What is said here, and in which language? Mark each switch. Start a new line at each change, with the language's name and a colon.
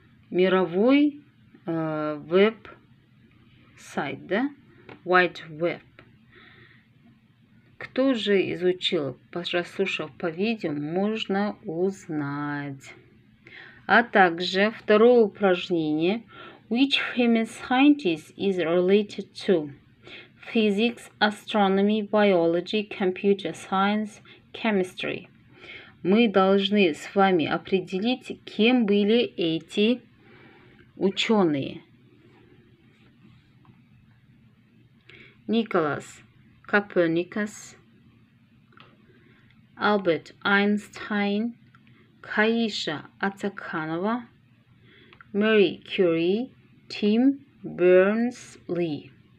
Russian: Мировой веб-сайт, да, Wide Web. Кто же изучил, послушав по видео, можно узнать. А также второе упражнение.
English: Which famous scientist is related to? Physics, astronomy, biology, computer science, chemistry.
Russian: Мы должны с вами определить, кем были эти ученые. Николас Коперникас, Альберт Эйнштейн, Кайша Атаканова, Мэри Кюри, Тим Бернс Ли.